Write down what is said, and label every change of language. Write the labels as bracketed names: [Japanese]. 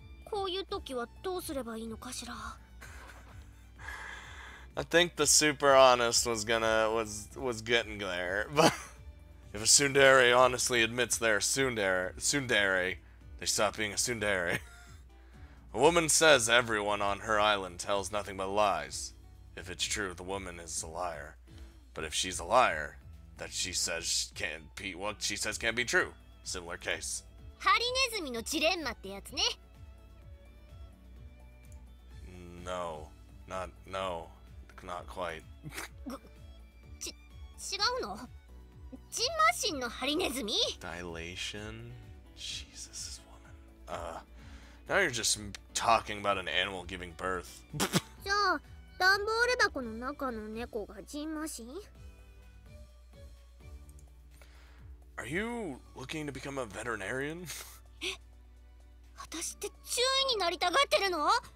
[Japanese] こういう時はどうすればいいのかしら? [English] I think the super honest was getting there, but if a tsundere honestly admits they're a tsundere, they stop being a tsundere. A woman says everyone on her island tells nothing but lies. If it's true, the woman is a liar. But if she's a liar, that she says can't be what she says can't be true. Similar case. [Japanese] ハリネズミのジレンマってやつね。 [English] No, not quite. [Japanese] ち、違うの? ジンマシンのハリネズミ? [English] Dilation? Jesus, this woman. Now you're just talking about an animal giving birth. [Japanese] じゃあ、ダンボール箱の中の猫がジンマシン? [English] Are you looking to become a veterinarian? [Japanese] え?私って注意になりたがってるの?